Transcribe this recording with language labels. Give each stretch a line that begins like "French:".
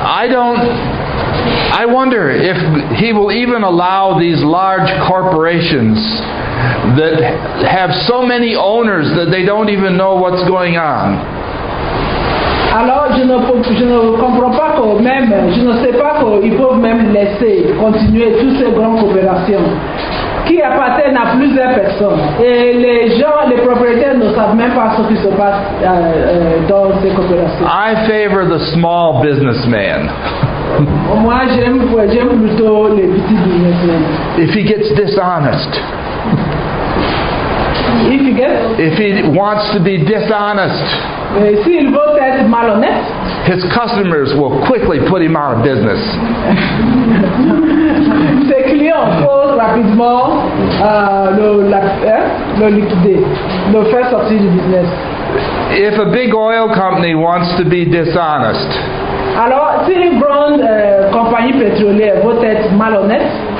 English: I wonder if he will even allow these large corporations that have so many owners that they don't even know what's going on.
French: Alors, je ne comprends pas que même, je ne sais pas qu'ils peuvent même laisser continuer toutes ces grandes coopérations qui appartiennent à plusieurs personnes. Et les gens, les propriétaires ne savent même pas ce qui se passe dans ces coopérations.
English: I favor the small businessman.
French: Moi, j'aime plutôt les petits businessmen.
English: If he gets dishonest. If he wants to be dishonest,
French: s'il veut être malhonnête,
English: his customers will quickly put him out of business.
French: Ses clients vont rapidement le liquider, le faire sortir du business.
English: If a big oil company wants to be dishonest,
French: alors si une grande compagnie pétrolière veut être malhonnête,